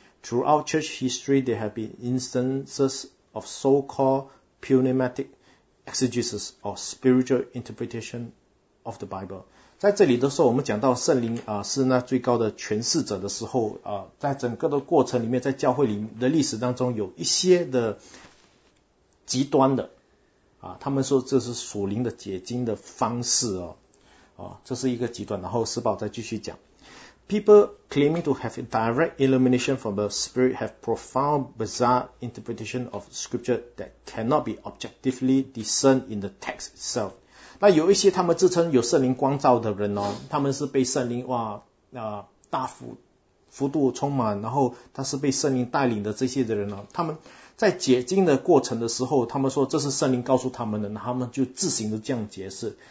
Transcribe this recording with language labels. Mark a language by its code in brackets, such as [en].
[en] Throughout church history, there have been instances of so-called pneumatic exegesis or spiritual interpretation of the Bible. [zh] 在这里的时候，我们讲到圣灵是那最高的诠释者的时候在整个的过程里面，在教会里的历史当中，有一些的极端的。他们说这是属灵的解经的方式这是一个极端，然后施宝再继续讲。 [en] People claiming to have direct illumination from the Spirit have profound bizarre interpretation of scripture that cannot be objectively discerned in the text itself. [zh] 那有一些他们自称有圣灵光照的人他们是被圣灵大幅福度充满，然后他是被圣灵带领的这些的人呢、啊，他们在解经的过程的时候，他们说这是圣灵告诉他们的，他们就自行的这样解释。